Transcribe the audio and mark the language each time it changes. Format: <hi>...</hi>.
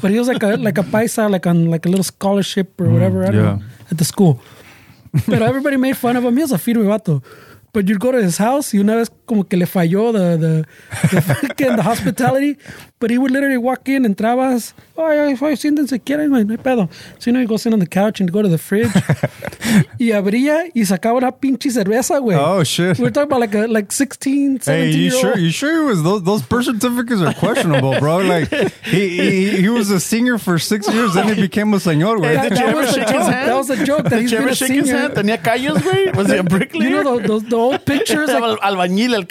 <en>But he was like a paisa, like on like a little scholarship or whatever at the school. But everybody made fun of him. He was a firme vato. But you'd go to his house,</en> <es>y una vez como que le falló</es> <en>the hospitality. But he would literally walk in,</en> <es>entrabas, ay, siéntense, quieren, no hay pedo.</es> <en>So, you know, he'd go sit on the couch and go to the fridge.</en> <es>Y abría y sacaba una pinche cerveza, güey.</es> <en>Oh, shit. We're talking about like 16, 17 years old. Hey, you sure he was, those birth certificates are questionable, bro. Like, he was a senior for 6 years, then he became a señor, güey. Did you ever shake his hand? That was a joke. Did you ever shake his hand?</en> <es>¿Tenía callos, güey?</es> <en>Was he a bricklayer? You know, the old pictures. Like,</en> <es>albañil, el cabrón.</es>